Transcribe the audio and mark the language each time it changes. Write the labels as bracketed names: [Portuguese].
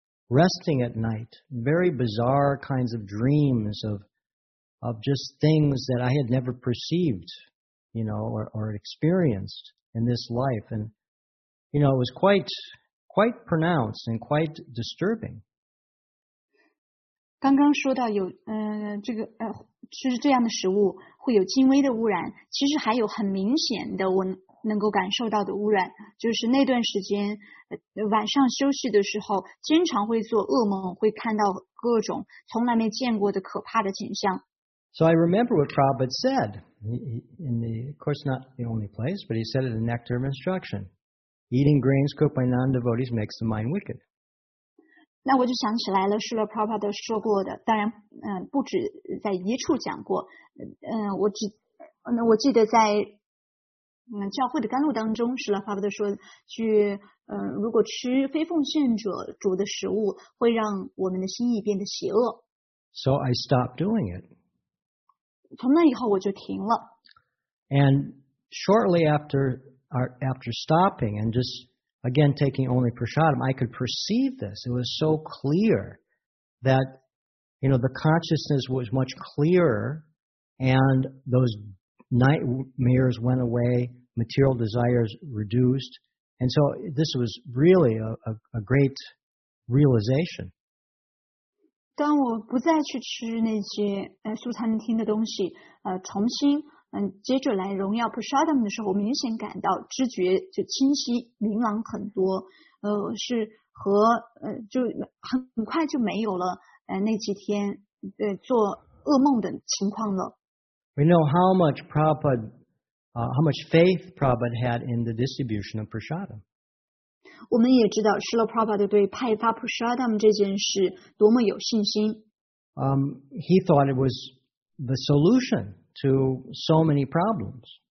[English] resting at night, very bizarre kinds of dreams of just things that I had never perceived, you know, or experienced in this life. And, you know, it was quite pronounced and quite disturbing. [Chinese] 刚刚说到有这个就是这样的食物会有轻微的污染，其实还有很明显的我能够感受到的污染，就是那段时间晚上休息的时候经常会做噩梦，会看到各种从来没见过的可怕的景象。 [English] So I remember what Prabhupada said, of course not the only place, but he said it in Nectar of Instruction. Eating grains cooked by non-devotees makes the mind wicked. [Chinese] 那我就想起来了，是了 Prabhupada 说过的，当然不止在一处讲过，我记得在教会的甘露当中，是了 Prabhupada 说去如果吃非奉献者煮的食物会让我们的心意变得邪恶。 [English] So I stopped doing it. [Chinese] 从那以后我就停了。 [English] And shortly after stopping and just again taking only prasadam, I could perceive this. It was so clear that, you know, the consciousness was much clearer and those nightmares went away, material desires reduced. And so this was really a great realization. [Chinese] 当我不再去吃那些素餐厅的东西重新接着来荣耀 prasadam 的时候，我明显感到知觉就清晰明朗很多，是和就很快就没有了那几天做噩梦的情况了。 [English] We know how much Prabhupada, how much faith Prabhupada had in the distribution of prasadam. [Chinese] 我们也知道Srila Prabhupada对派发 prasadam 这件事多么有信心。 [English] He thought it was the solution. To so many problems.